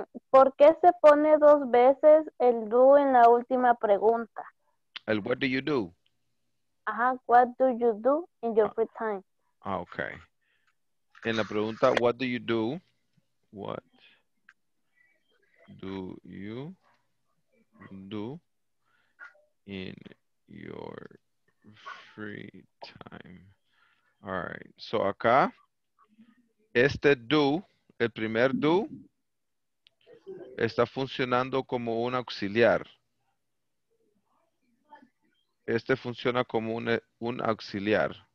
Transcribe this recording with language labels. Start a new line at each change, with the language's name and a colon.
Spanish: ¿Por qué se pone dos veces el do en la última pregunta?
English: El what do you do? Ajá, what do you do in your free time? Okay.
Spanish: En la pregunta,
English: what do you do? What do you do in your free time? All right.
Spanish: So acá, este do, el primer do, está funcionando como un auxiliar. Este funciona como un auxiliar.